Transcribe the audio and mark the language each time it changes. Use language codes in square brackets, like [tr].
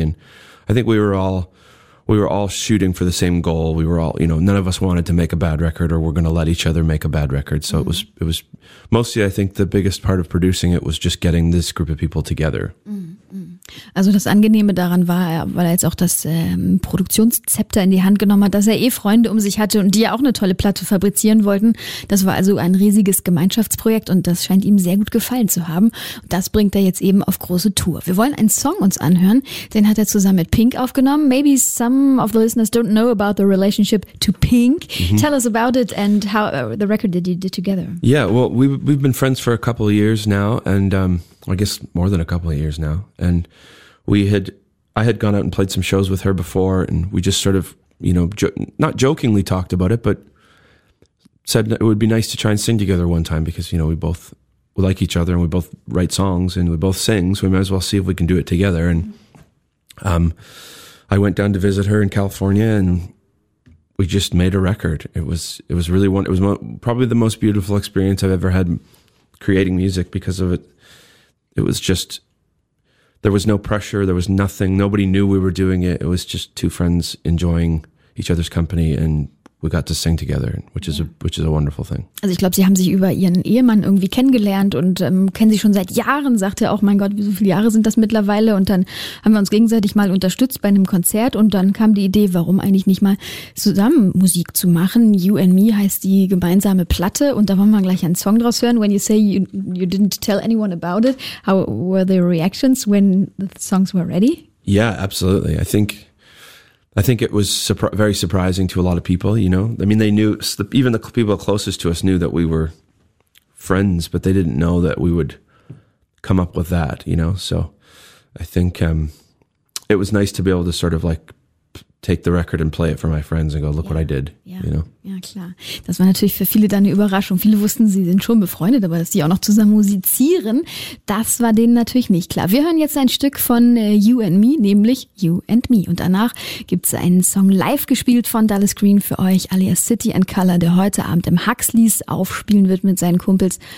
[en] And I think we were all shooting for the same goal. We were all, you know, none of us wanted to make a bad record or we're going to let each other make a bad record. So mm-hmm. it was mostly, I think, the biggest part of producing it was just getting this group of people together. Mm-hmm. [de] Also das Angenehme daran war, weil er jetzt auch das Produktionszepter in die Hand genommen hat, dass er Freunde um sich hatte und die ja auch eine tolle Platte fabrizieren wollten. Das war also ein riesiges Gemeinschaftsprojekt und das scheint ihm sehr gut gefallen zu haben. Und das bringt er jetzt eben auf große Tour. Wir wollen einen Song uns anhören. Den hat er zusammen mit Pink aufgenommen. [en] Maybe some of the listeners don't know about the relationship to Pink. Mm-hmm. Tell us about it and how the record that you did together. Yeah, well, we've been friends for a couple of years now, and I guess more than a couple of years now. And I had gone out and played some shows with her before, and we just sort of, you know, not jokingly talked about it, but said it would be nice to try and sing together one time because, you know, we both like each other and we both write songs and we both sing, so we might as well see if we can do it together. And I went down to visit her in California and we just made a record. It was probably the most beautiful experience I've ever had creating music because of it. It was just, there was no pressure. There was nothing. Nobody knew we were doing it. It was just two friends enjoying each other's company and we got to sing together, which is a wonderful thing. [de] Also ich glaube, sie haben sich über ihren Ehemann irgendwie kennengelernt und kennen sich schon seit Jahren, sagt er auch, mein Gott, wie so viele Jahre sind das mittlerweile? Und dann haben wir uns gegenseitig mal unterstützt bei einem Konzert und dann kam die Idee, warum eigentlich nicht mal zusammen Musik zu machen. You and Me heißt die gemeinsame Platte und da wollen wir gleich einen Song draus hören. [en] When you say you didn't tell anyone about it, how were the reactions when the songs were ready? Yeah, absolutely. I think it was very surprising to a lot of people, you know. I mean, they knew, even the people closest to us knew that we were friends, but they didn't know that we would come up with that, you know. So I think it was nice to be able to sort of like take the record and play it for my friends and go, look what I did, you know. [de] Ja, klar. Das war natürlich für viele dann eine Überraschung. Viele wussten, sie sind schon befreundet, aber dass die auch noch zusammen musizieren, das war denen natürlich nicht klar. Wir hören jetzt ein Stück von You and Me, nämlich You and Me. Und danach gibt es einen Song live gespielt von Dallas Green für euch, alias City and Color, der heute Abend im Huxleys aufspielen wird mit seinen Kumpels.